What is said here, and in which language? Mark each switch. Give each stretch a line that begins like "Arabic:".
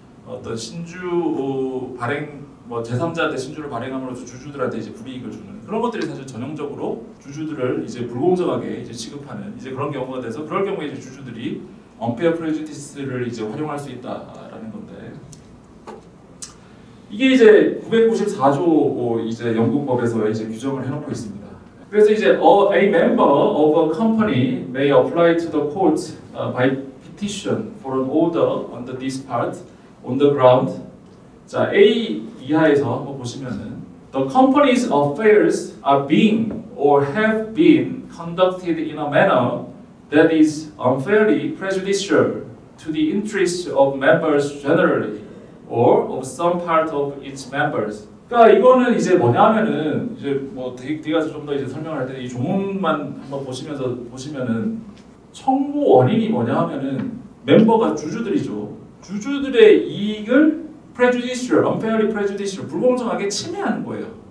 Korean: 어떤 신주 발행 뭐 제3자한테 신주를 발행함으로써 주주들한테 이제 불이익을 주는 그런 것들이 사실 전형적으로 주주들을 이제 불공정하게 이제 취급하는 이제 그런 경우가 돼서 그럴 경우에 이제 주주들이 unfair prejudice를 이제 활용할 수 있다라는 건데 이게 이제 994조 이제 영국법에서 이제 규정을 해놓고 있습니다. 그래서 이제
English: a member of a company may apply to the court by petition for an order under this part on the ground.
Korean: 자 A 이하에서 한번 보시면은
English: the company's affairs are being or have been conducted in a manner that is unfairly prejudicial to the interests of members generally or of some part of its members.
Korean: 그러니까 이거는 이제 뭐냐면은 이제 뭐 뒤가서 좀 더 이제 설명할 때 이 조문만 한번 보시면서 보시면은 청구 원인이 뭐냐면은 멤버가 주주들이죠. 주주들의 이익을
English: prejudicial, unfairly prejudicial,
Korean: 불공정하게 침해하는 거예요.